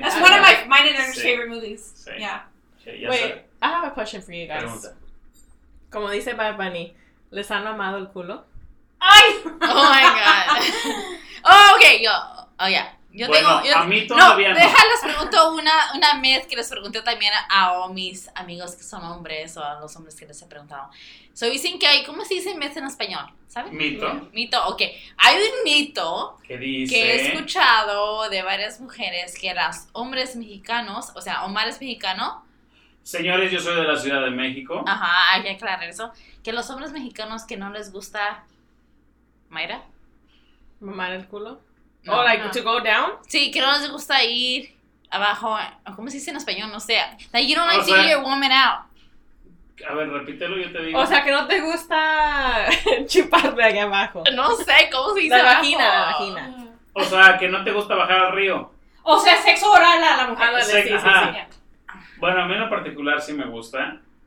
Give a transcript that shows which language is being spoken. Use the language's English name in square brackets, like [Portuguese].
[English] That's one of my mine and her favorite movies. [Spanish] Sí. [English] Yeah. Okay, yes, wait, I have a question for you guys. [Spanish] Pregunta. Como dice Bad Bunny, ¿les han mamado el culo? ¡Ay! [English] Oh my God. Oh, okay, yo. Oh, yeah. Yo [Spanish] bueno, tengo, yo, a mí todavía no. Déjales, pregunto una vez que les pregunté también a mis amigos que son hombres o a los hombres que les he preguntado. So, dicen que hay, ¿cómo se dice mes en español? ¿Saben? Mito. Mito, ok. Hay un mito ¿qué dice? Que he escuchado de varias mujeres que eran hombres mexicanos, o sea, Omar es mexicano. Señores, yo soy de la Ciudad de México. Ajá, hay que aclarar eso. Que los hombres mexicanos que no les gusta, Mayra. ¿Mamar el culo? No, oh, like, no. [English] To go down? [Spanish] Sí, que no les gusta ir abajo. ¿Cómo se dice en español? No sé. [English] Like, you don't like to hear your woman out. [Spanish] A ver, repítelo, yo te digo. O sea, que no te gusta chupar de aquí abajo. No sé, ¿cómo se dice la abajo? Vagina, la vagina. O sea, que no te gusta bajar al río. O sea, sexo oral a la mujer. Ah, sí, ajá. Sí. Bueno, a mí en lo particular sí me gusta.